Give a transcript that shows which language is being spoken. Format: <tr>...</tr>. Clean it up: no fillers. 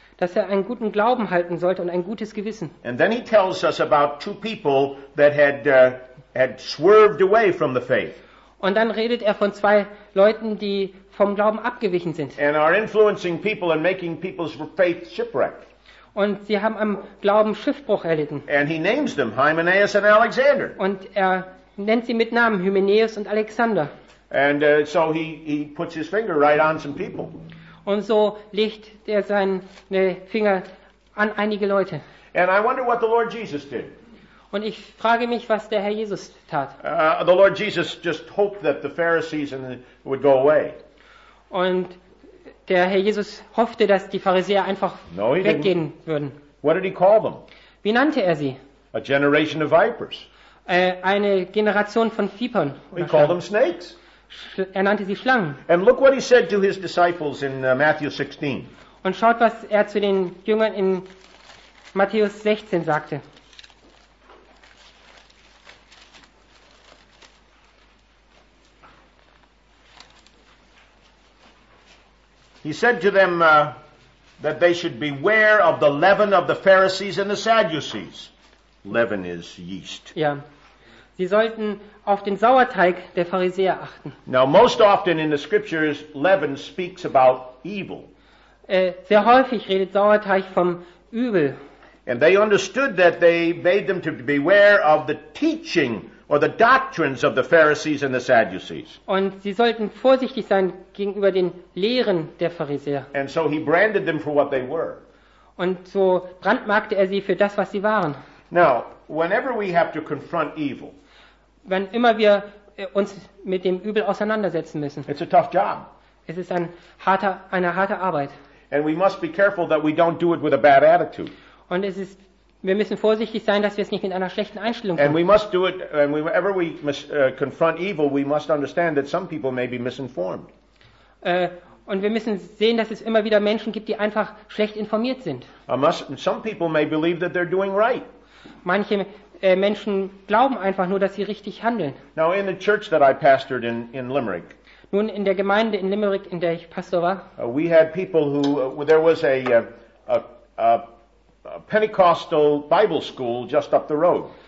<de>Dass einen guten Glauben halten sollte und ein gutes Gewissen.</de> <en>And then he tells us about two people that had swerved away from the faith.</en> <de>Und dann redet von zwei Leuten, die vom Glauben abgewichen sind.</de> <en>And are influencing people and making people's faith shipwreck.</en> <de>Und sie haben am Glauben Schiffbruch erlitten.</de> <en>And he names them, Hymenaeus and Alexander.</en> <de>Und nennt sie mit Namen, Hymenaeus und Alexander.</de> <en>And so he puts his finger right on some people.</en> <de>Und so legt seinen Finger an einige Leute.</de> <en>And I wonder what the Lord Jesus did.</en> <de>Und ich frage mich, was der Herr Jesus tat.</de> <en>The Lord Jesus just hoped that the Pharisees would go away.</en> <de>Und der Herr Jesus hoffte, dass die Pharisäer einfach weggehen würden.</de> <en>What did he call them?</en> <de>Wie nannte er sie?</de> <en>A generation of vipers.</en> <de>Eine Generation von Vipern.</de> <en>He called them snakes.</en> <de>Er nannte sie Schlangen.</de> <en>And look what he said to his disciples in Matthew 16.</en> <de>Und schaut, was zu den Jüngern in Matthäus 16 sagte.</de> <en>He said to them that they should beware of the leaven of the Pharisees and the Sadducees. Leaven is yeast.</en> <de>Ja. Sie sollten auf den Sauerteig der Pharisäer achten.</de> <en>Now, most often in the scriptures, leaven speaks about evil.</en> <de>sehr häufig redet Sauerteig vom Übel.</de> <en>And they understood that they bade them to beware of the teaching or the doctrines of the Pharisees and the Sadducees.</en> <de>Und sie sollten vorsichtig sein gegenüber den Lehren der Pharisäer.</de> <en>And so he branded them for what they were.</en> <de>Und so brandmarkte er sie für das, was sie waren.</de> <en>Now, whenever we have to confront evil,</en> <de>wenn immer wir uns mit dem Übel auseinandersetzen müssen,</de> <en>it's a tough job.</en> <de>Es ist eine harte Arbeit.</de> <en>And we must be careful that we don't do it with a bad attitude.</en> <de>Und es ist, wir müssen vorsichtig sein, dass wir es nicht mit einer schlechten Einstellung tun.</de> <en>And we must do it, and whenever we must confront evil, we must understand that some people may be misinformed.</en> <de>Und wir müssen sehen, dass es immer wieder Menschen gibt, die einfach schlecht informiert sind.</de> <en>Some people may believe that they're doing right.</en> <de>Manche Menschen glauben einfach nur, dass sie richtig handeln.</de> <en>Now in the church that I pastored in Limerick.</en> <de>Nun in der Gemeinde in Limerick, in der ich Pastor war.</de> <en>We had people who there was a Pentecostal Bible school just up the road.</en>